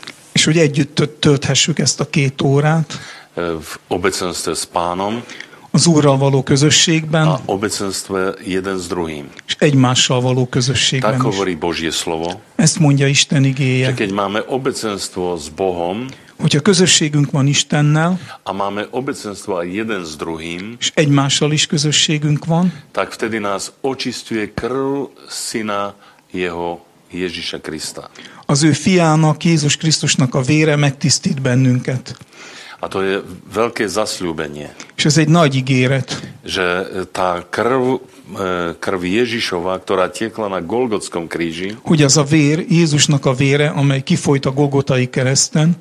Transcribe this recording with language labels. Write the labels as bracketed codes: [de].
[hu] És hogy együtt tölthessük ezt a két órát. [sk] V obecenstve s pánom. [hu] Az Úrral való közösségben. [sk] A obecenstve jeden s druhým. [hu] És egymással való közösségben. [sk] Tak hovorí Božie slovo. [hu] Ezt mondja Isten igéje. [sk] Keď máme obecenstvo s Bohom. [hu] Hogyha közösségünk van Istennel. [sk] A máme obecenstvo a jeden s druhým. [hu] És egymással is közösségünk van. [sk] Tak vtedy nás očistuje krv syna jeho Ježíša Krista. [hu] Az ő fiának, Jézus Krisztusnak a vére megtisztít bennünket. [sk] A to je veľké zasľúbenie. [hu] És ez egy nagy ígéret. [sk] Že tá krv Ježišova, ktorá tiekla na Golgotskom kríži. [hu] Hogy az a vér, Jézusnak a vére, amely kifolyt a Golgotai kereszten.